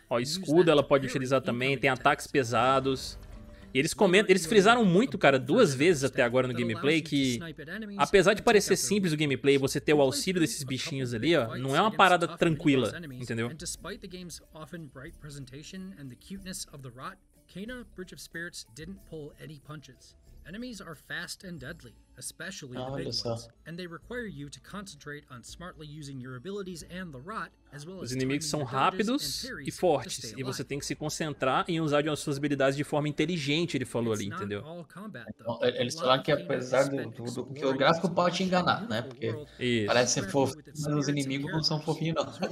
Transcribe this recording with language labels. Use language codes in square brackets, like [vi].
[pt] Ó, escudo ela pode utilizar também, tem ataques pesados. E eles frisaram muito, cara, duas vezes até agora no gameplay, que apesar de parecer simples o gameplay, você ter o auxílio desses bichinhos ali, ó, não é uma parada tranquila, entendeu? [en] Despite the game's often bright presentation and the cuteness of the rot, Kana, Bridge of Spirits, didn't pull any punches. Enemies are fast and deadly, especially the big ones, and they require you to concentrate on smartly using your abilities and the rot, as well as [pt] os inimigos são rápidos e fortes, e você tem que se concentrar em usar de suas habilidades de forma inteligente, ele falou ali, entendeu? Eles falaram que apesar do que o gráfico pode te enganar, né? Porque isso. Parece ser fofinho, mas os inimigos não são fofinhos, não.